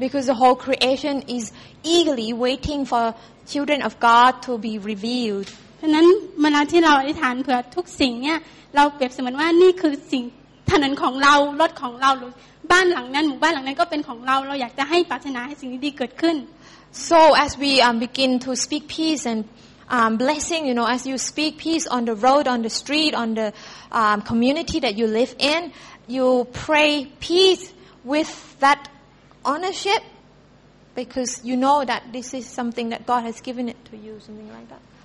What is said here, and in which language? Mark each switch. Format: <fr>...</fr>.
<en>Because the whole creation is eagerly waiting for children of God to be revealed</en> <th>เพราะนั้นเมื่อที่เราอธิษฐานเผื่อทุกสิ่งเนี่ยเราเปรียบเสมือนว่านี่คือสิ่งถนนของเรารถของเราหรือบ้านหลังนั้นหมู่บ้านหลังนั้นก็เป็นของเราเราอยากจะให้ปรารถนาให้สิ่งดีๆเกิดขึ้น</th> <en>So as we begin to speak peace andblessing, you know, as you speak peace on the road, on the street, on the community that you live in, you pray peace with that ownership because you know that this is something that God has given it to you, something like that.</en>